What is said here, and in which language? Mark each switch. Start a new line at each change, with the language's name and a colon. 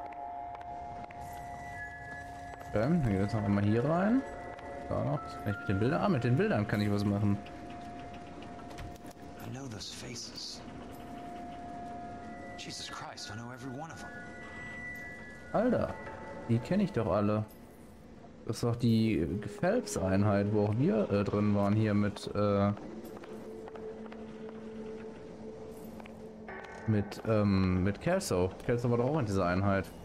German: Okay, dann gehen wir jetzt noch einmal hier rein. Da noch. Vielleicht mit den Bildern. Ah, mit den Bildern kann ich was machen.
English: I know those faces. Jesus Christ, I know every one of them.
German: Alter, die kenne ich doch alle. Das ist doch die Phelps-Einheit, wo auch wir drin waren hier mit Kelso. Kelso war doch auch in dieser Einheit.